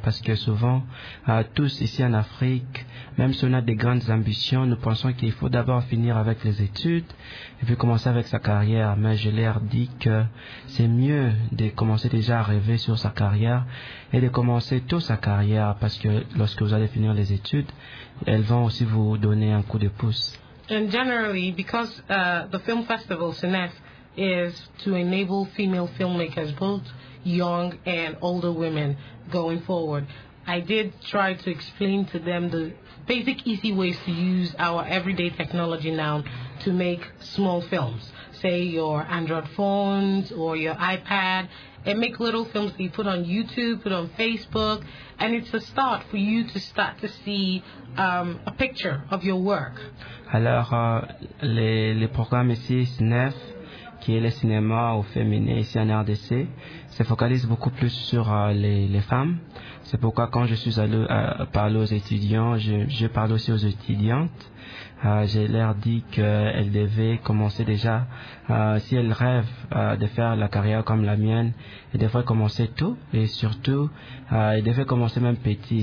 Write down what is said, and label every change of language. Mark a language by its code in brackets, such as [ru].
[fr] Parce que souvent, tous ici en Afrique, même si on a des grandes ambitions, nous pensons qu'il faut d'abord finir avec les études et puis commencer avec sa carrière. Mais je leur dis que c'est mieux de commencer déjà à rêver sur sa carrière et de commencer tôt sa carrière parce que lorsque vous allez finir les études, elles vont aussi vous donner un coup de pouce. [en] And generally, because the film festival, CINEF, is to enable female filmmakers, both young and older women, going forward. I did try to explain to them the basic easy ways to use our everyday technology now to make small films. Say your Android phones or your iPad and make little films that you put on YouTube, put on Facebook, and it's a start for you to start to see a picture of your work. [fr] Alors, les programmes ici, CINEF, qui est le cinéma au féminin ici en RDC, se focalise beaucoup plus sur les femmes. C'est pourquoi quand je suis allé parler aux étudiants, je parle aussi aux étudiantes. J'ai leur dit qu'elles devaient commencer déjà, si elles rêvent de faire la carrière comme la mienne, elles devraient commencer tôt et surtout, elles devraient commencer même petit.